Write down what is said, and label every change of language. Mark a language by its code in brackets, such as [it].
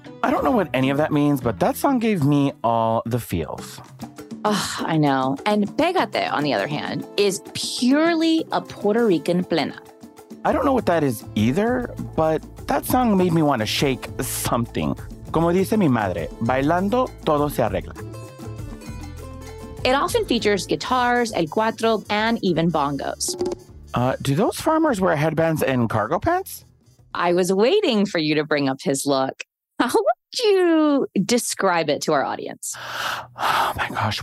[en] I don't know what any of that means, but that song gave me all the feels. Oh, I know. And Pégate, on the other hand, is purely a Puerto Rican plena. I don't know what that is either, but that song made me want to shake something. [es] Como dice mi madre, bailando todo se arregla. [en] It often features guitars, el cuatro, and even bongos. Do those farmers wear headbands and cargo pants? I was waiting for you to bring up his look. How would you describe it to our audience? Oh my gosh.